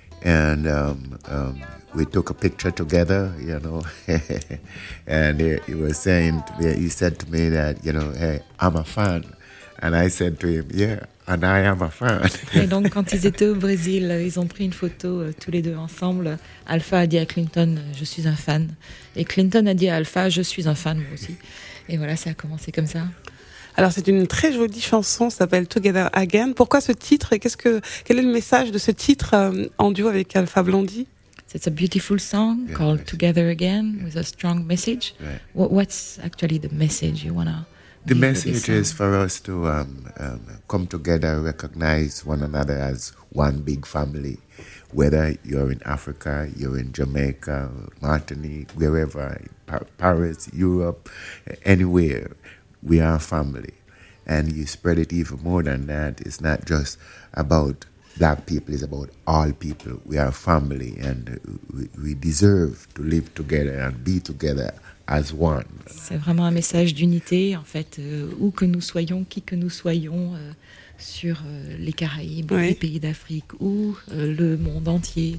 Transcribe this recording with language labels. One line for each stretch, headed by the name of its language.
English: And we took a picture together, you know. And he was saying to me, he said to me that, you know, hey, I'm a fan. And I said to him, yeah, and I am a fan.
French: Et donc, quand ils étaient au Brésil, ils ont pris une photo tous les deux ensemble. Alpha a dit à Clinton, je suis un fan. Et Clinton a dit à Alpha, je suis un fan, moi aussi. Et voilà, ça a commencé comme ça. Alors c'est une très jolie chanson, ça s'appelle Together Again. Pourquoi ce titre et quel est le message de ce titre en duo avec Alpha Blondie? C'est une
English: beautiful song called Together Again with a strong message. Right. What's actually the message you wanna? The message is for us to come together, recognize one another as one big family. Whether you're in Africa, you're in Jamaica, Martinique, wherever, Paris, Europe, anywhere. We are family, and you spread it even more than that. It's not just about black people, it's about all people. We are family, and we deserve to live together and be together as one.
French: C'est vraiment un message d'unité, en fait, où que nous soyons, qui que nous soyons, sur les Caraïbes, oui, les pays d'Afrique, ou le monde entier.